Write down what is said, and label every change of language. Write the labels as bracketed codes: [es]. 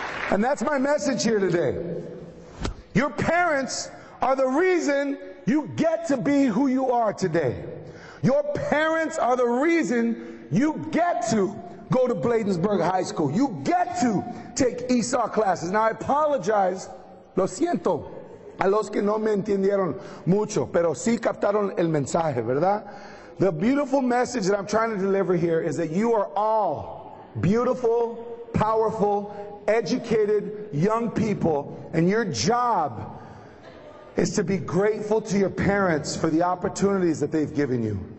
[en] And that's my message here today. Your parents are the reason you get to be who you are today. Your parents are the reason you get to go to Bladensburg High School. You get to take ESOL classes. Now, I apologize. [es] Lo siento a los que no me entendieron mucho, pero sí captaron el mensaje, ¿verdad? [en] The beautiful message that I'm trying to deliver here is that you are all beautiful, powerful, educated young people, and your job is to be grateful to your parents for the opportunities that they've given you.